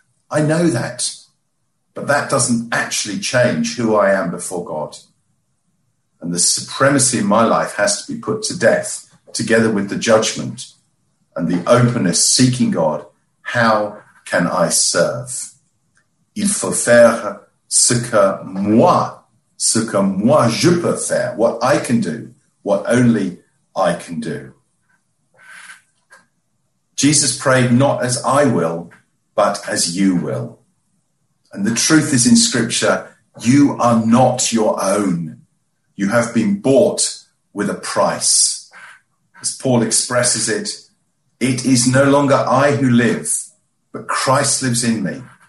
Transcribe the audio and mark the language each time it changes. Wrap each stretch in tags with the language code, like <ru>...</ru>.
<en>I know that, but that doesn't actually change who I am before God. And the supremacy in my life has to be put to death together with the judgment and the openness seeking God. How can I serve?</en> <fr>Il faut faire ce que moi je peux faire,</fr> <en>what I can do, what only I can do. Jesus prayed not as I will, but as you will. And the truth is in Scripture, you are not your own. You have been bought with a price. As Paul expresses it, it is no longer I who live, but Christ lives in me.</en>